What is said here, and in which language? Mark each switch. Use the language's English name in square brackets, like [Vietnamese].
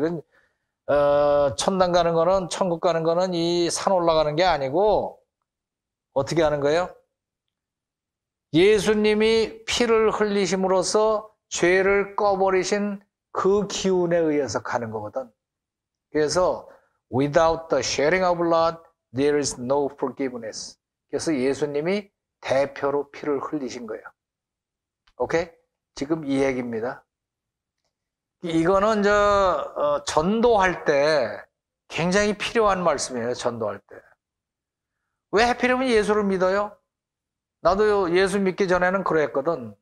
[Korean] 그건 천당 가는 거는 천국 가는 거는 이 산 올라가는 게 아니고 어떻게 하는 거예요? 예수님이 피를 흘리심으로써 죄를 꺼버리신 그 기운에 의해서 가는 거거든. 그래서 [English] without the shedding of blood there is no forgiveness. [Korean] 그래서 예수님이 대표로 피를 흘리신 거예요. 오케이? 지금 이 얘기입니다. 이거는 전도할 때 굉장히 필요한 말씀이에요. 전도할 때. 왜 하필이면 예수를 믿어요? 나도 예수 믿기 전에는 그랬거든.